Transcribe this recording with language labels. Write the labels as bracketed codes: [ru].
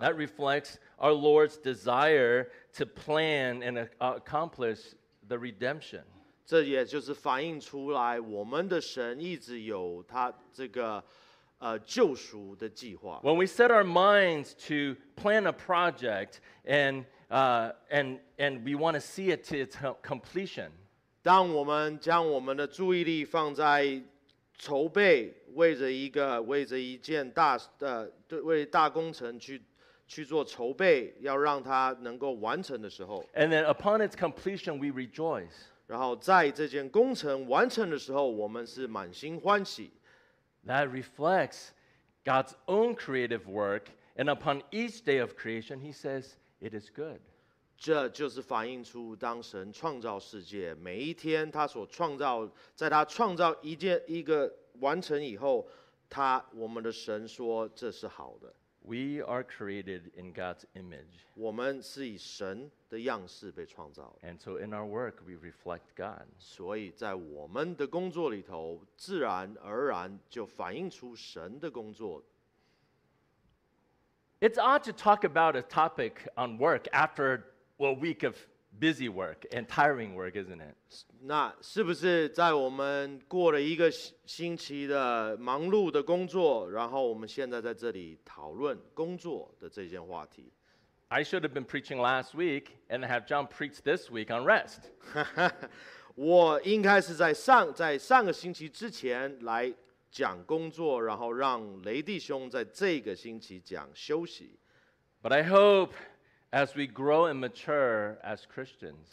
[en] That reflects our Lord's desire to plan and accomplish the redemption. [zh] 这也就是反映出来我们的神一直有他这个救赎的计划。 [en] When we set our minds to plan a project and we want to see it to its completion. [zh] 当我们将我们的注意力放在筹备为大工程去做筹备要让它能够完成的时候。 [en] And then upon its completion, we rejoice. [zh] 然后在这件工程完成的时候，我们是满心欢喜。 [en] That reflects God's own creative work, and upon each day of creation, He says, "It is good." [zh] 这就是反映出当神创造世界每一天，他所创造，在他创造一个完成以后，我们的神说这是好的。 [en] We are created in God's image. [zh] 我们是以神的样式被创造。 [en] And so in our work, we reflect God. [zh] 所以在我们的工作里头，自然而然就反映出神的工作。 [en] It's odd to talk about a topic on work after a week of busy work and tiring work, isn't it? [zh] 那是不是在我们过了一个星期的忙碌的工作，然后我们现在在这里讨论工作的这件话题？ [en] I should have been preaching last week and have John preach this week on rest. [zh] 我应该是在上个星期之前来讲工作，然后让雷弟兄在这个星期讲休息。 [en] But I hope as we grow and mature as Christians.